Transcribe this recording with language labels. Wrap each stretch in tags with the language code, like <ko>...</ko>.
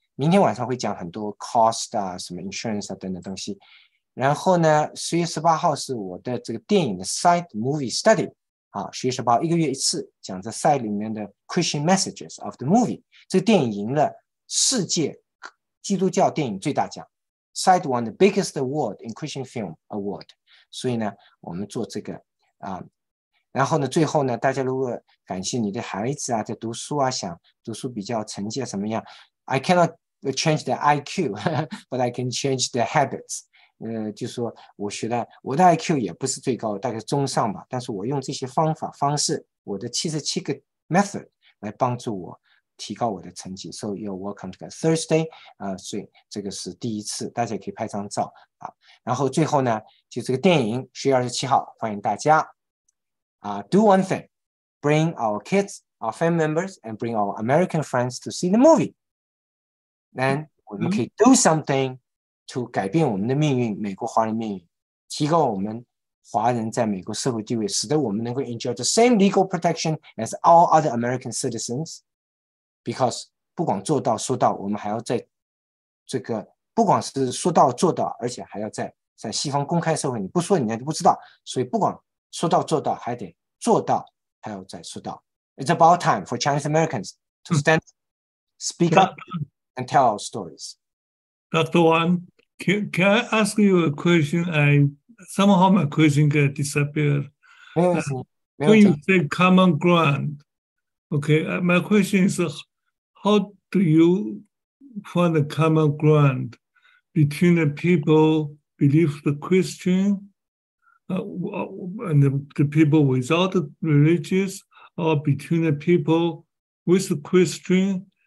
<zh>明天晚上会讲很多 cost 啊，什么 insurance 啊等等东西。然后呢 ,10月18号是我的这个电影的 site movie study。啊 ,10月18号一个月一次讲这 site 里面的</zh> <en>Christian messages of the movie。</en> <zh>这个电影赢了世界基督教电影最大奖。</zh> <en>Site won the biggest award in Christian film award。</en> <zh>所以呢我们做这个啊，然后呢最后呢大家如果感谢你的孩子啊在读书啊，想读书比较成绩什么样。</zh> <en>I cannot change the IQ, but I can change the habits.</en> <zh>就说我学的，我的 IQ 也不是最高，大概中上吧。但是我用这些方法方式，我的77个 method 来帮助我提高我的成绩。</zh> <en>So you're welcome to get Thursday.</en> <zh>所以这个是第一次，大家可以拍张照啊。然后最后呢，就这个电影10月27号，欢迎大家啊。</zh> <en>Do one thing, bring our kids, our family members, and bring our American friends to see the movie. Then we can do something to</en> <zh>改变我们的命运，美国华人命运，提高我们华人在美国社会地位，使得我们能够</zh> <en>enjoy the same legal protection as all other American citizens.</en> <zh>Because 不管做到说到，我们还要在这个不管是说到做到，而且还要在西方公开社会，你不说你就不知道。所以不管说到做到，还得做到，还要再说到。</zh> <en>It's about time for Chinese Americans to stand, speak up. And tell our stories. Dr. Wang, can I ask you a question? Somehow my question got disappeared. When you say common ground, okay, my question is, how do you find a common ground between the people who believe the Christian and the people without the religious, or between the people with the Christian?</en>